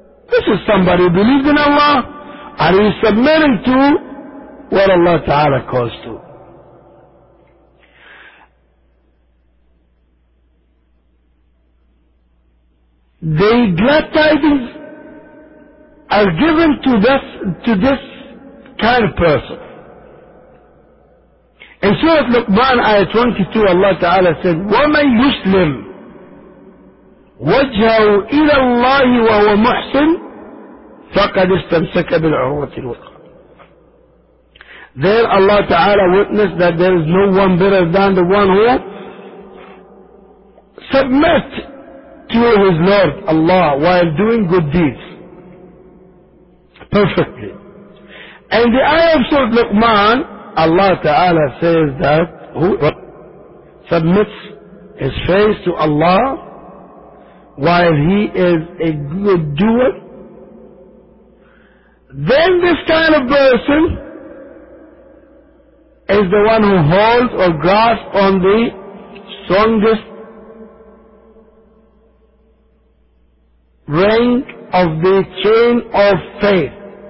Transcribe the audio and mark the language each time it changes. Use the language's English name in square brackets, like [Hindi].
[English] This is somebody who believes in Allah and is submitting to what Allah Ta'ala calls to. The glad tidings are given to this kind of person. In Surah Luqman, ayah 22, Allah Ta'ala said, [Arabic] وَمَنْ يُسْلِمْ وَجْهَهُ إِلَى اللَّهِ وَهُوَ مُحْسِنٌ فَقَدْ اسْتَمْسَكَ بِالْعُرْوَةِ الْوُثْقَى. [English] There Allah Ta'ala witnessed that there is no one better than the one who submit to his Lord, Allah, while doing good deeds. Perfectly. And the ayah of Surah Luqman, Allah Ta'ala says that who submits his face to Allah while he is a good doer, then this kind of person is the one who holds or grasps on the strongest rank of the chain of faith.